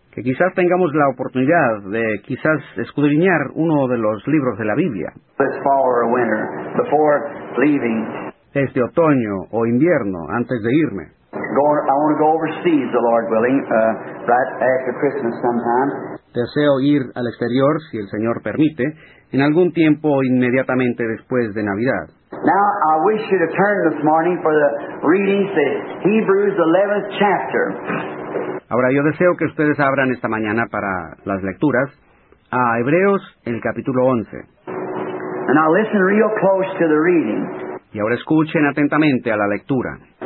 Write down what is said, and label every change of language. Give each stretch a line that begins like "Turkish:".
Spanish: Que quizás tengamos la oportunidad de quizás escudriñar uno de los libros de la Biblia.
English: This fall or winter, before leaving.
Spanish: Este otoño o invierno, antes de irme.
English: I want to go overseas, the Lord willing, right after Christmas sometime.
Spanish: Deseo ir al exterior, si el Señor permite, en algún tiempo inmediatamente después de Navidad.
English: Now, I wish you to turn this morning for the reading to Hebrews 11th chapter.
Spanish: Ahora, yo deseo que ustedes abran esta mañana para las lecturas a Hebreos, el capítulo 11.
English: And I'll listen real close to the reading.
Spanish: Y ahora escuchen atentamente a la lectura.